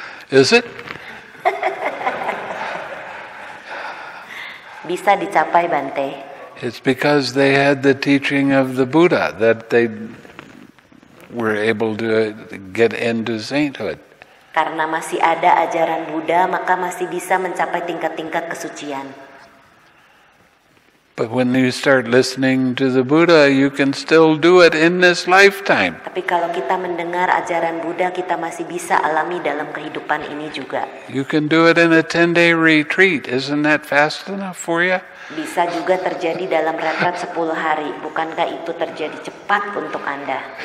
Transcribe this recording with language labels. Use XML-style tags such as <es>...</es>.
<en>Is it?</en> <id>Bisa dicapai, Bhante.</id> <en>It's because they had the teaching of the Buddha that they were able to get into sainthood.</en> <id>Karena masih ada ajaran Buddha, maka masih bisa mencapai tingkat-tingkat kesucian.</id> <en>But when you start listening to the Buddha, you can still do it in this lifetime.</en> <id>Tapi kalau kita mendengar ajaran Buddha, kita masih bisa alami dalam kehidupan ini juga.</id> <en>You can do it in a 10-day retreat. Isn't that fast enough for you?</en> <id>Bisa juga terjadi dalam retret 10 hari. Bukankah itu terjadi cepat untuk Anda?</id>